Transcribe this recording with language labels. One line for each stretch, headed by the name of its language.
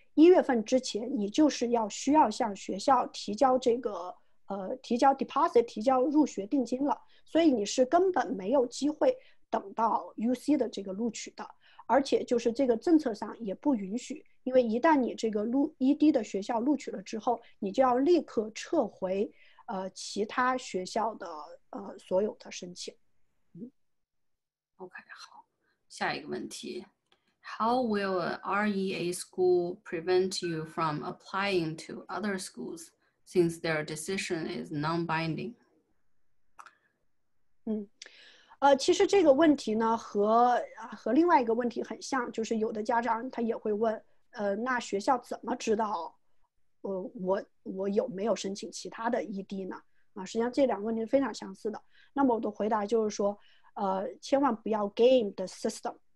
Chinese: 1月份之前你就是要需要向学校提交这个提交 deposit 提交入学定金了，所以你是根本没有机会等到 UC 的这个录取的。而且就是这个政策上也不允许，因为一旦你这个ED 的学校录取了之后，你就要立刻撤回其他学校的所有的申请。
English: OK，
Chinese: 好，下一个问题，
English: How will a REA school prevent you from applying to other schools since their decision is non-binding?
Chinese: 其实这个问题呢和另外一个问题很像，就是有的家长他也会问那学校怎么知道我有没有申请其他的 ED 呢？实际上这两个问题是非常相似的。那么我的回答就是说千万不要
English: game the system。